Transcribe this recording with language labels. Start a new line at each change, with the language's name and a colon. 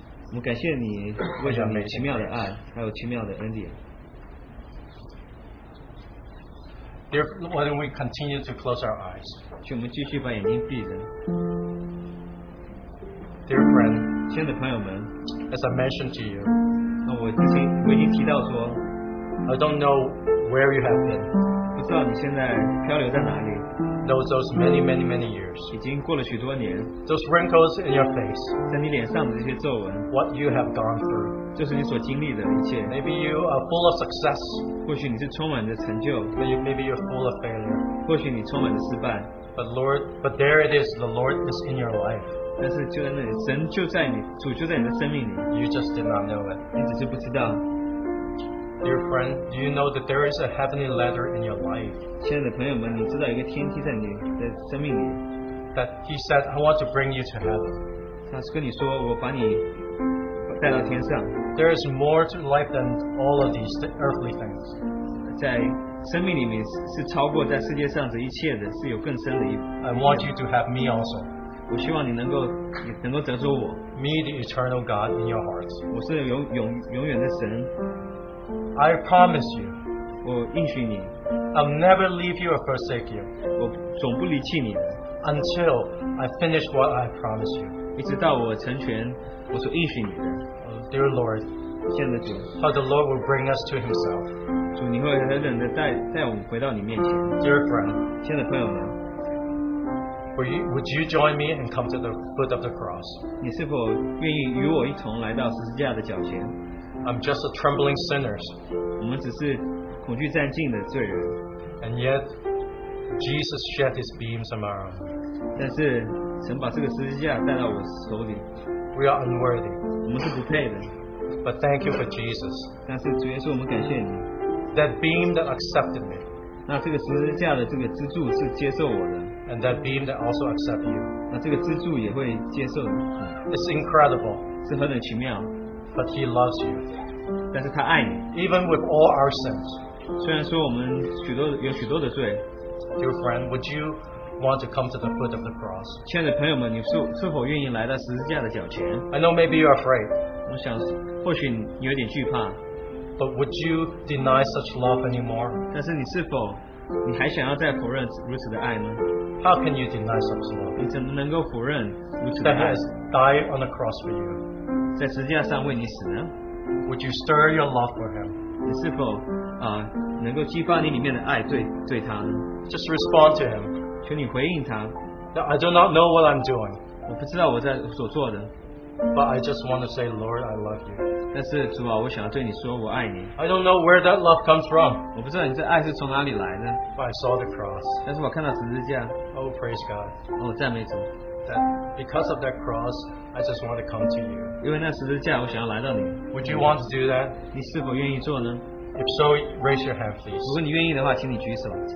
Chinese: 我们感谢你，为着你奇妙的爱，还有奇妙的恩典。
English: Dear, why don't we continue to close our eyes?
Chinese: 请我们继续把眼睛闭着。
English: Dear friend,
Chinese: 亲爱的朋友们
English: ，As I mentioned to you,
Chinese: 我已经提到说
English: ，I don't know where you have been.
Chinese: 不知道你现在漂流在哪里。
English: Those many, many, many years.
Chinese: 已经过了许多年。
English: Those wrinkles in your face.
Chinese: 在你脸上的这些皱纹。
English: What you have gone through.
Chinese: 就是你所经历的一切。
English: Maybe you are full of success.
Chinese: 或许你是充满着成就。
English: Maybe you're full of failure.
Chinese: 或许你充满着失败。
English: But there it is. The Lord is in your life.
Chinese: 但是就在那里，神就在你，主就在你的生命里。
English: You just did not know it.
Chinese: 你只是不知道。
English: Dear friend, do you know that there is a heavenly ladder in your life?
Chinese: 亲爱的朋友们，你知道一个天梯在你的生命里。
English: That he said, I want to bring you to heaven.
Chinese: 他是跟你说，我把你带到天上。
English: There is more to life than all of these earthly things.
Chinese: 在生命里面是超过在世界上的一切的，是有更深的一。
English: I want you to have me also.
Chinese: 我希望你能够得着我。
English: Me, the eternal God in your heart.
Chinese: 我是永远的神。
English: I promise you,
Chinese: 我应许你,
English: I'll never leave you or forsake you,
Chinese: 我总不离弃你,
English: until I finish what I promise you,
Chinese: 一直到我成全我所应许你的。
English: Dear Lord,
Chinese: 亲爱的主,
English: how the Lord will bring us to himself,
Chinese: 主你会狠狠地带我们回到你面前。
English: Dear friend,
Chinese: 亲爱的朋友们,
English: would you join me and come to the foot of the cross?
Chinese: 你是否愿意与我一同来到十字架的脚前？
English: I'm just a trembling sinner.
Chinese: 我们只是恐惧战兢的罪人。
English: And yet, Jesus shed His beams on my arm.
Chinese: 但是神把这个十字架带到我手里。
English: We are unworthy.
Chinese: 我们是不配的。
English: But thank you for Jesus.
Chinese: 但是主耶稣，我们感谢你。
English: That beam that accepted me.
Chinese: 那这个十字架的这个支柱是接受我的。
English: And that beam that also accepted you.
Chinese: 那这个支柱也会接受你。
English: It's incredible.
Chinese: 是何等奇妙。
English: But he loves you.
Chinese: 但是他爱你。
English: Even with all our sins.
Chinese: 虽然说我们有许多的罪。
English: Dear friend, would you want to come to the foot of the cross?
Chinese: 亲爱的朋友们，你是否愿意来到十字架的脚前？
English: I know maybe you're afraid.
Chinese: 我想或许你有点惧怕。
English: But would you deny such love anymore?
Chinese: 但是你是否你还想要再否认如此的爱呢？
English: How can you deny such love?
Chinese: 你怎么能够否认如此的爱？
English: That has died on the cross for you.
Chinese: 在十字架上为你死呢？
English: Would you stir your love for him?
Chinese: 你是否能够激发你里面的爱对他呢？
English: Just respond to him.
Chinese: 求你回应他。
English: I do not know what I'm doing.
Chinese: 我不知道我在所做的。
English: But I just want to say, Lord, I love you.
Chinese: 但是主啊，我想要对你说，我爱你。
English: I don't know where that love comes from.
Chinese: 我不知道你这爱是从哪里来的。
English: But I saw the cross.
Chinese: 但是我看到十字架。
English: Oh, praise God.
Chinese: 哦，赞美主。
English: That because of that cross, I just want to come to you.
Chinese: 因为那十字架，我想要来到你。
English: Would you want to do that?
Chinese: 你是否愿意做呢？
English: If so, raise your hand, please.
Chinese: 如果你愿意的话，请你举手。